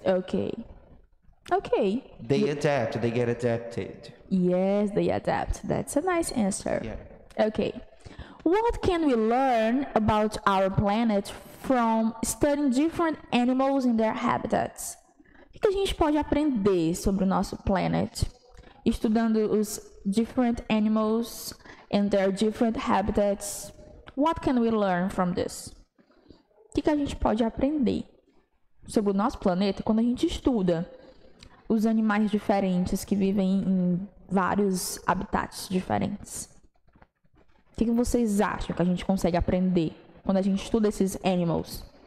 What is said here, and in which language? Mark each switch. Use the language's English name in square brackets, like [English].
[English] Okay. Okay. They adapt. They get adapted. Yes, they adapt. That's a nice answer. Yeah. Okay. What can we learn about our planet from studying different animals in their habitats? [Portuguese] O que a gente pode aprender sobre o nosso planet? Estudando os [English] different animals and their different habitats. What can we learn from this? [Portuguese] O que a gente pode aprender sobre o nosso planeta quando a gente estuda os animais diferentes que vivem em vários habitats diferentes? O que vocês acham que a gente consegue aprender quando a gente estuda esses animals?